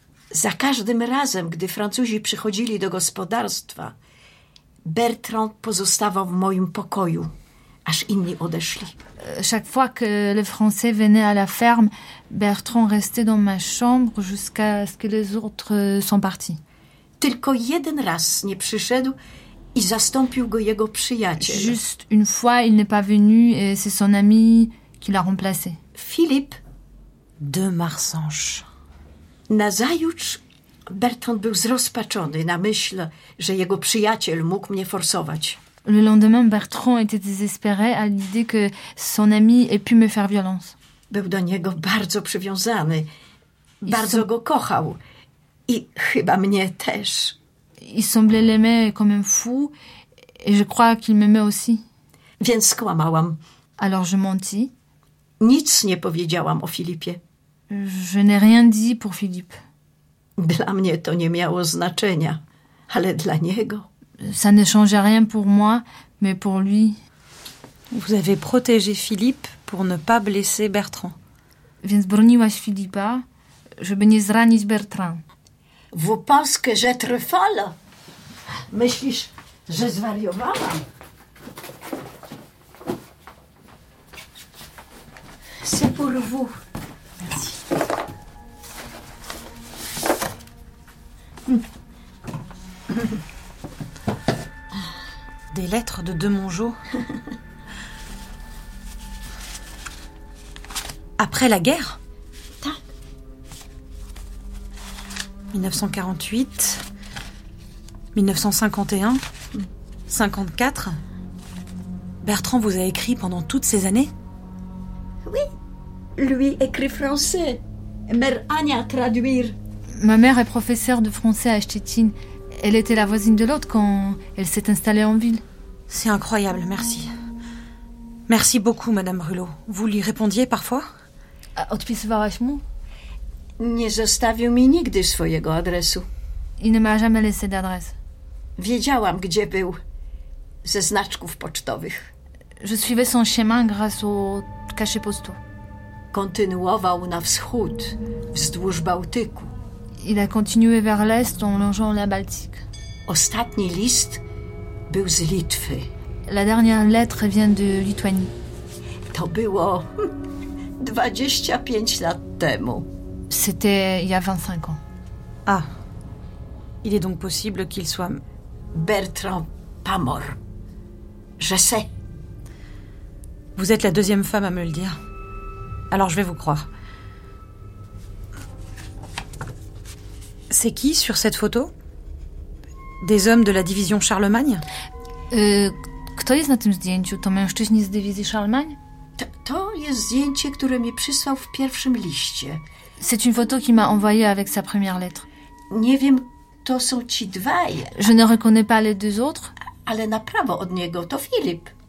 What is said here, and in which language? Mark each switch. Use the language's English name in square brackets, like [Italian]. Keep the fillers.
[Polish] Za każdym razem, gdy Francuzi przychodzili do gospodarstwa, Bertrand pozostawał w moim pokoju, aż inni odeszli. [French] Chaque fois que les Français venaient à la ferme, Bertrand restait dans ma chambre jusqu'à ce que les autres euh, sont partis. [Polish] Tylko jeden raz nie przyszedł i zastąpił go jego przyjaciel. [French] Juste une fois, il n'est pas venu et c'est son ami qui l'a remplacé. [Polish] Filip, [French] De Marsanche. [Polish] nazajutrz Bertrand był zrozpaczony na myśl, że jego przyjaciel mógł mnie forsować. [French] Le lendemain, Bertrand était désespéré à l'idée que son ami ait pu me faire violence. [Polish] Był do niego bardzo przywiązany, bardzo są- go kochał i chyba mnie też. [French] Il semblait l'aimer comme un fou et je crois qu'il m'aimait aussi. [Polish] Więc skłamałam. [French] Alors je mentis. [Polish] Nic nie powiedziałam o Filipie. [French] Je n'ai rien dit pour Philippe. [Polish] Dla mnie to nie miało znaczenia, ale dla niego. [French] Ça ne changeait rien pour moi, mais pour lui, Vous avez protégé Philippe pour ne pas blesser Bertrand. [Polish] Więc broniłaś Filipa, żeby nie zranić Bertrand. [French] Vous pensez que j'ai trop folle? [Polish] Myślisz, że zwariowałam? [French] C'est pour vous. Des lettres de De Mongeau. Après la guerre [Polish] Tak. [French] 1948, 1951, 54. Bertrand vous a écrit pendant toutes ces années Lui écrit français. Mère Ania traduire. Ma mère est professeure de français à Stettin. Elle était la voisine de l'autre quand elle s'est installée en ville. C'est incroyable, merci. Merci beaucoup, Madame Brulot. Vous lui répondiez parfois [Polish] A Odpisywała mu. Nie zostawił mi nigdy swojego adresu. [French] Il ne m'a jamais laissé d'adresse. [Polish] Wiedziałam, gdzie był. Ze znaczków pocztowych. [French] Je suivais son chemin grâce aux cachets postaux. [Polish] Kontynuował na wschód, wzdłuż Bałtyku. [French] Il a continué vers l'est en longeant la Baltique. [Polish] Ostatni list był z Litwy. [French] La dernière lettre vient de Lituanie. [Polish] To było 25 lat temu. [French] C'était il y a 25 ans. Ah. Il est donc possible qu'il soit... Bertrand Pamor. Je sais. Vous êtes la deuxième femme à me le dire. Alors je vais vous croire. C'est qui sur cette photo Des hommes de la division Charlemagne [Polish] Y, Kto jest na tym zdjęciu? To mężczyźni z dywizji Charlemagne To, to jest zdjęcie, które mi przysłał w pierwszym liście. [French] C'est une photo qu'il m'a envoyée avec sa première lettre. [Polish] Nie wiem, to są ci dwaj, [French] Je ne reconnais pas les deux autres, [Polish] ale na prawo od niego to Filip.